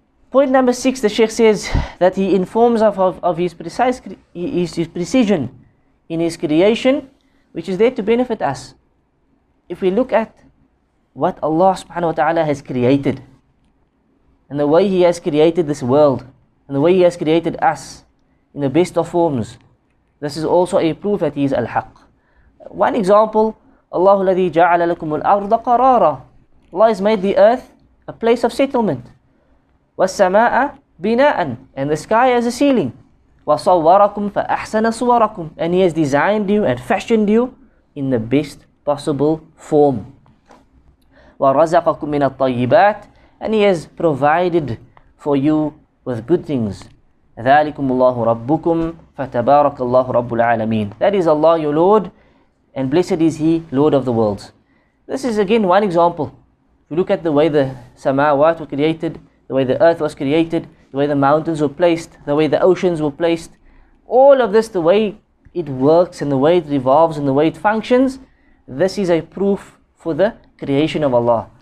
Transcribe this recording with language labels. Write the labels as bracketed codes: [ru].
[en] Point number six, the Shaykh says that he informs of His precise, His precision in His creation, which is there to benefit us. If we look at what Allah subhanahu wa ta'ala has created, and the way He has created this world, and the way He has created us in the best of forms, this is also a proof that He is al-haq. One example, [ar] Allah الذي جعل لكم الأرض قرارا. [en] Allah has made the earth a place of settlement. [ar] والسماء بناء, [en] and the sky as a ceiling. [ar] وصوركم فأحسن صوركم. [en] And He has designed you and fashioned you in the best possible form. [ar] ورزقكم من الطيبات, [en] and He has provided for you with good things. [ar] ذلكم الله ربكم فتبارك الله رب العالمين. [en] That is Allah your Lord, and blessed is He, Lord of the worlds. This is again one example. If you look at the way the samawat were created, the way the earth was created, the way the mountains were placed, the way the oceans were placed, all of this, the way it works and the way it revolves and the way it functions, this is a proof for the creation of Allah.